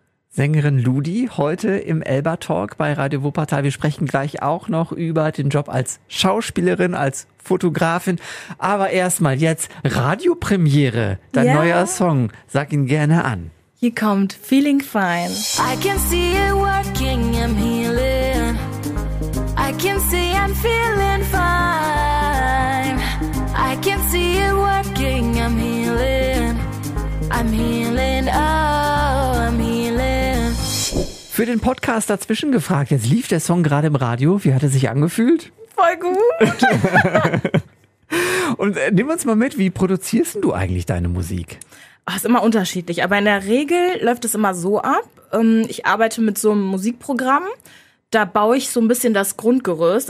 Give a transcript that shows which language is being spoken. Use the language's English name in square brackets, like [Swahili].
[German] Sängerin Ludi heute im Elba-Talk bei Radio Wuppertal. Wir sprechen gleich auch noch über den Job als Schauspielerin, als Fotografin. Aber erstmal jetzt Radiopremiere, dein neuer Song. Sag ihn gerne an. Hier kommt Feeling Fine. [English] I can see it working, I'm healing. I can see I'm feeling fine. I can see it working, I'm healing. I'm healing, oh, I'm healing. [German] Für den Podcast dazwischen gefragt, jetzt lief der Song gerade im Radio. Wie hat er sich angefühlt? Voll gut. Und nimm uns mal mit, wie produzierst du eigentlich deine Musik? Das ist immer unterschiedlich, aber in der Regel läuft es immer so ab. Ich arbeite mit so einem Musikprogramm. Da baue ich so ein bisschen das Grundgerüst.